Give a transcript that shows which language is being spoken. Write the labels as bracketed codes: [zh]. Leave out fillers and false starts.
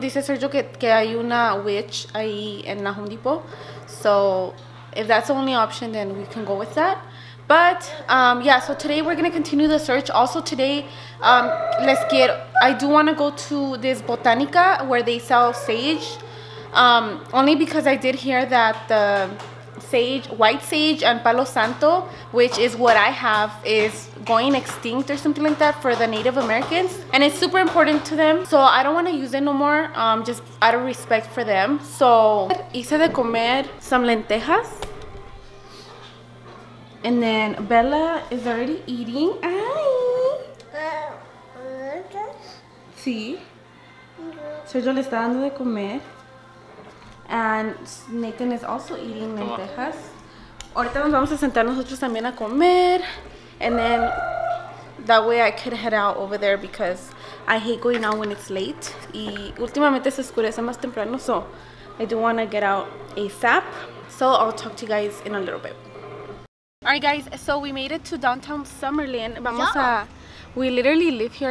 [es] Dice Sergio que hay una witch ahí en la Home Depot. [en] So if that's the only option, then we can go with that. But yeah, so today we're gonna continue the search. Also today, I do want to go to this botanica where they sell sage, only because I did hear that the sage, white sage and palo santo, which is what I have, is going extinct or something like that for the Native Americans, and it's super important to them, so I don't want to use it no more, just out of respect for them. So hice de comer some lentejas, and then Bella is already eating. Hi. Sí. [es] Sergio le está dando de comer. And Nathan is also eating lentejas. Ahorita nos vamos a sentar nosotros también a comer. [en] And then that way I could head out over there, because I hate going out when it's late. Y últimamente se oscurece más temprano, so I do want to get out ASAP. So I'll talk to you guys in a little bit. Alright guys, so we made it to downtown Summerlin. Vamos a... We literally live here.